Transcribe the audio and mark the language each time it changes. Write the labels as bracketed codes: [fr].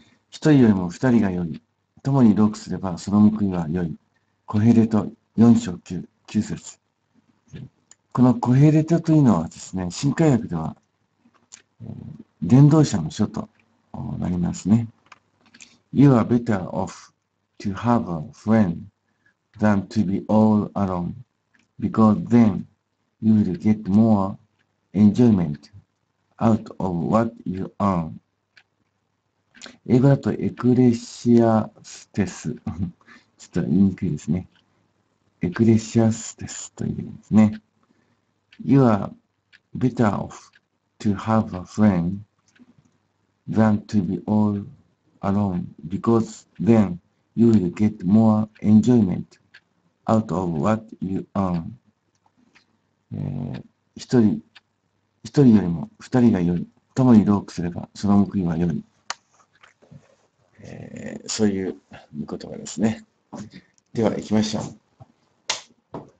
[ja] 一人よりも二人が良い。共に労苦すれば、その報いは良い。コヘレト4章9節。このコヘレトというのはですね、新改訳では、伝道者の書となりますね。 [en] You are better off to have a friend than to be all alone, because then you will get more enjoyment out of what you earn. [ja] 英語だとエクレシアステス。ちょっと言いにくいですね。エクレシアステスというんですね。 [en] You are better off to have a friend than to be all alone, because then you will get more enjoyment out of what you earn. [ja] 一人よりも二人が良い。共に労苦すれば、その報いは良い。そういう言葉ですね。では、行きましょう。